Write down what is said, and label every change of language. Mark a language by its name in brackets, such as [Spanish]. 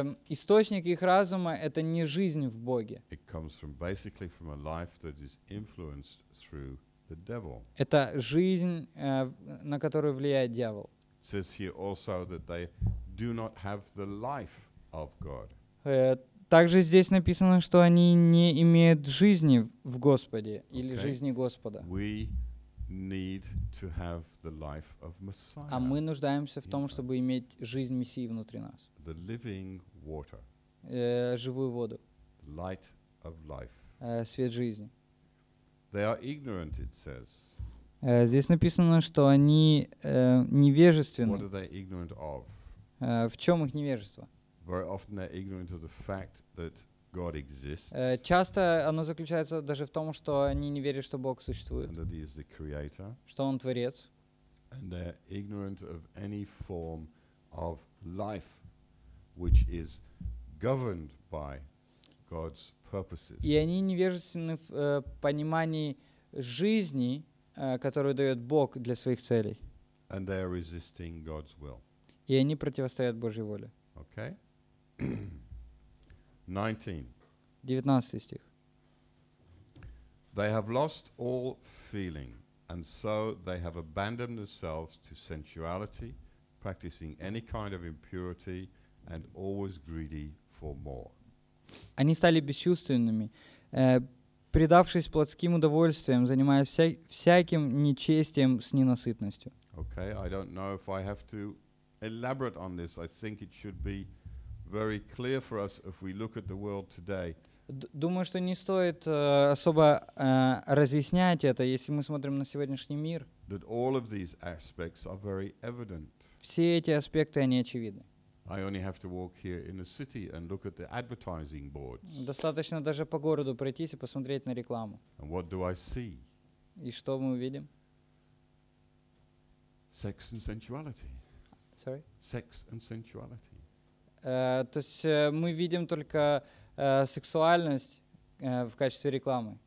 [Russian] Источник их разума — это не жизнь в Боге. [English] It comes from basically from a life that is influenced through the devil. [Russian] Это жизнь, на которую влияет дьявол. [English] It says here also that they do not have the life of God. [Russian] Также здесь написано, что они не имеют жизни в Господе или жизни Господа. [English] We need to have the life of Messiah. [Russian] А мы нуждаемся в том, чтобы иметь жизнь Мессии внутри нас. [English] The living water. [Russian] Живую воду. [English] Light of life. [Russian] Свет жизни. [English] They are ignorant, it says. [Russian] Здесь написано, что они невежественны. [English] What are they ignorant of? [Russian] В чем их невежество? [English] Very often they're ignorant of the fact that God exists. [Russian] Часто оно заключается даже в том, что они не верят, что Бог существует. [English] And that he is the creator. [Russian] Что он творец. [English] And they're ignorant of any form of life which is governed by God's purposes. [Russian] И они невежественны в понимании жизни, которую дает Бог для своих целей. [English] And they're resisting God's will. [Russian] И они противостоят Божьей воле. [English] Okay. 19. [Russian] 19 стих. [English] They have lost all feeling, and so they have abandoned themselves to sensuality, practicing any kind of impurity, and always greedy for more. [Russian] Они стали бесчувственными, предавшись плотским удовольствиям, занимаясь всяким нечестием с ненасытностью. [English] Okay, I don't know if I have to elaborate on this. I think it should be very clear for us if we look at the world today. [Russian] Думаю, что не стоит особо разъяснять это, если мы смотрим на сегодняшний мир. [English] That all of these aspects are very evident. [Russian] Все эти аспекты, они очевидны. [English] I only have to walk here in the city and look at the advertising boards. [Russian] Достаточно даже по городу пройтись и посмотреть на рекламу. [English] And what do I see? [Russian] И что мы увидим? [English] Sex and sensuality. Sorry? Sex and sensuality. [Russian] То есть мы видим только сексуальность в качестве рекламы.